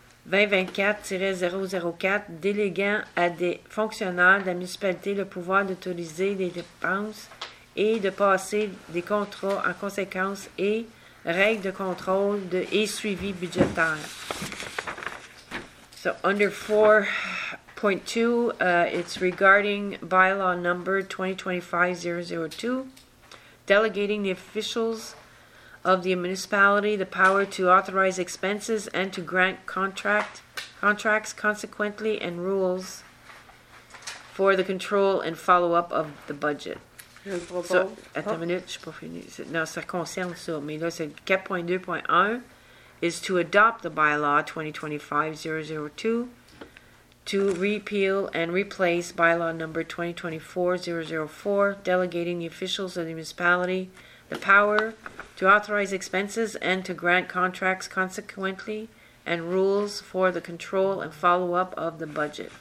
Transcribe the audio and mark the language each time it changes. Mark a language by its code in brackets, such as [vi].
[fr] 2024-004, déléguant à des fonctionnaires de la municipalité le pouvoir d'autoriser les dépenses et de passer des contrats en conséquence et règles de contrôle et suivi budgétaire. [en] So, under 4.2, it's regarding bylaw number 2025-002, delegating the officials of the municipality the power to authorize expenses and to grant contracts consequently and rules for the control and follow-up of the budget. [fr] Je le propose. Ça, attends une minute, je suis pas finie. Non, ça concerne ça, mais là, c'est [en] 4.2.1 is to adopt the bylaw 2025-002 to repeal and replace bylaw number 2024-004, delegating the officials of the municipality the power to authorize expenses and to grant contracts consequently and rules for the control and follow-up of the budget.